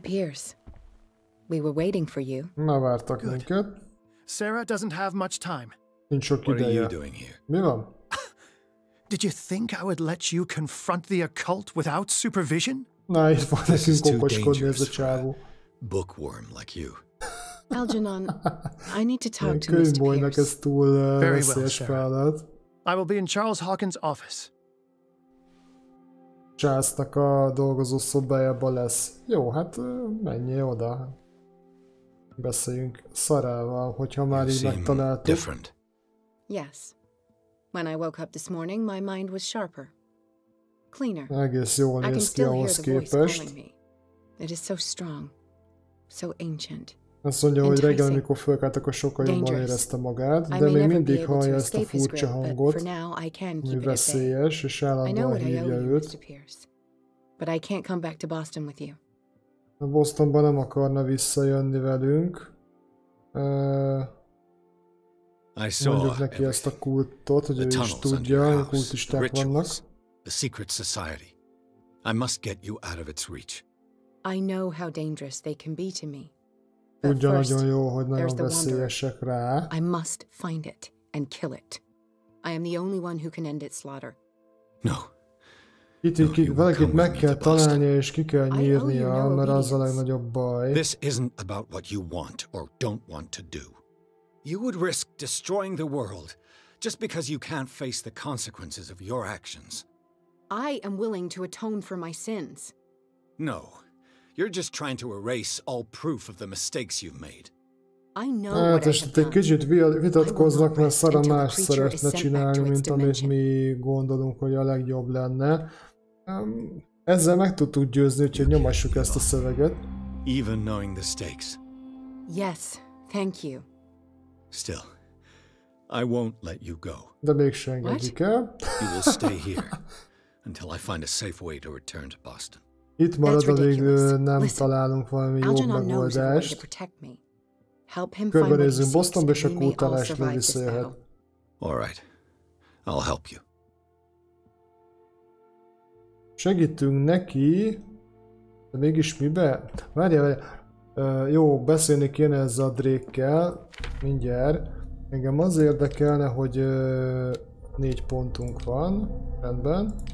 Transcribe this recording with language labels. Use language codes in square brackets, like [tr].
[en] Pierce, we were waiting for you. [hu] Na, vártak minket. [en] Sarah doesn't have much time. [hu] Nincs sok ideje. [en] What are you doing here? [hu] Mi van? [en] Did you think I would let you confront the occult without supervision? [hu] Na, itt van nekünk okoskodni ez a csávó. [en] Bookworm like you. Algernon, I need to talk to Mr. Pierce. [hu] Könyvbojnak ez túl veszélyes feladat. [en] I will be in Charles Hawkins' office. [hu] Charles-nak a dolgozó szobájában lesz. Jó, hát menjél oda. Beszéljünk Sarah-val, hogyha már így megtaláltuk. [en] Yes. When I woke up this morning, my mind was sharper, cleaner. [hu] Egész jól néz ki ahhoz képest. [en] It is so strong, so ancient. [hu] Azt mondja, hogy reggel, amikor fölkelt, akkor sokkal jobban érezte magát, de még mindig hallja ezt a furcsa hangot, mi veszélyes, és állandóan hívja őt. [en] But I can't come back to Boston with you. [hu] A Bostonban nem akarna visszajönni velünk. [en] I saw [hu] neki ezt a kultot, hogy ő is tudja, a kultisták vannak. [en] The secret society. I must get you out of its reach. I know how dangerous they can be to me. [hu] Tudja nagyon jó, hogy nagyon veszélyesek rá. [en] I must find it and kill it. I am the only one who can end its slaughter. No. [hu] Itt így valakit meg kell találnia és ki kell nyírnia, mert az a legnagyobb baj. [en] This isn't about what you want or don't want to do. You would risk destroying the world just because you can't face the consequences of your actions. I am willing to atone for my sins. No. You're just trying to erase all proof of the mistakes you've made. I know what I have done. [hu] Kicsit vitatkoznak, mert Sarah más szeretne csinálni, mint amit mi gondolunk, hogy a legjobb lenne. Ezzel meg tudtuk győzni, úgyhogy nyomassuk ezt a szöveget. [en] Even knowing the stakes. Yes, thank you. Still, I won't let you go. [hu] De mégsem engedik el. [en] You will stay here until I find a safe way to return to Boston. [hu] Itt marad, amíg nem találunk valami jó megoldást. [en] Algernon knows a way to protect me. Help him find what he seeks, and we may all survive this battle. Alright. I'll help you. [hu] Segítünk neki, de mégis mibe? Várjál. Jó, beszélni kéne ezzel a Drake-kel, mindjárt. Engem az érdekelne, hogy 4 pontunk van, rendben.